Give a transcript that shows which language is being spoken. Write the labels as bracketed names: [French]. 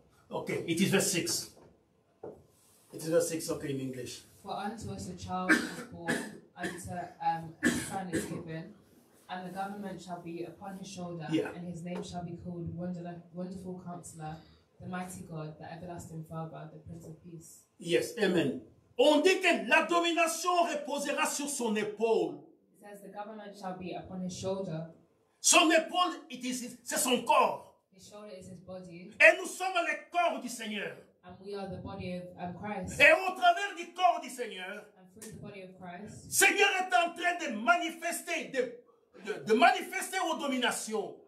[English] Okay, it is verse 6. It is verse 6, okay, in English. For unto us a child is born, unto a son is given, and the government shall be upon his shoulder, yeah. And his name shall be called Wonderful Counselor, the Mighty God, the Everlasting Father, the Prince of Peace. Yes, amen. [French] On dit que la domination reposera sur son épaule. [English] As the government shall be upon his shoulder. [French] Son épaule, [English] it is his, [French] c'est son corps. [English] His shoulder is his body. [French] Et nous sommes le corps du Seigneur. [English] And we are the body of Christ. [French] Et au travers du corps du Seigneur. [English] And through the body of Christ. [French] Seigneur est en train de manifester, de manifester aux dominations.